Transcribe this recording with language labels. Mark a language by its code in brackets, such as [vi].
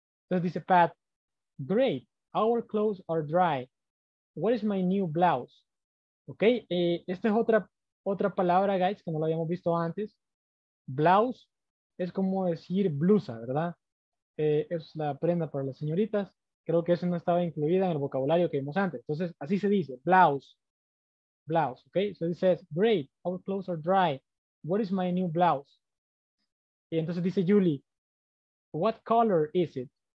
[es] Entonces dice [en] Pat, great, our clothes are dry. What is my new blouse? ¿Ok? [es] Esta es otra palabra, guys, que no la habíamos visto antes. Blouse es como decir blusa, ¿verdad? Es la prenda para las señoritas. Creo que eso no estaba incluida en el vocabulario que vimos antes. Entonces, así se dice, blouse. Blouse, ¿ok? [en] So it says, great, our clothes are dry. What is my new blouse? [es] Y entonces dice [en] Julie, what color is it?